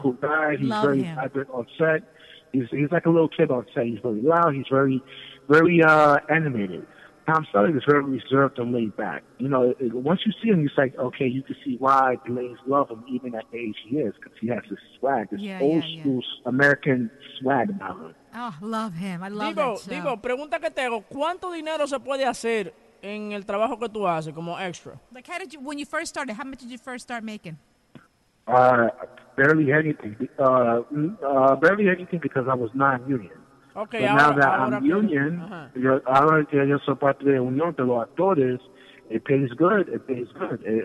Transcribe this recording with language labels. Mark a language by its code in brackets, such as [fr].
[en] Cool guy. He's Love very vibrant on set. He's like a little kid on set. He's very loud. He's very, very animated. Tom Selleck is very reserved and laid back. You know, once you see him, it's like, okay, you can see why the ladies love him, even at the age he is, because he has this swag, this old-school American swag about him. Oh, love him. I love that show. [es] Digo, pregunta que te hago, ¿cuánto dinero se puede hacer en el trabajo que tú haces como extra? [en] Like, how did you, when you first started, how much did you first start making? Barely anything. Barely anything because I was non-union. Okay, but now that I'm union, yo soy parte de unión de los actores, it pays good, it pays good.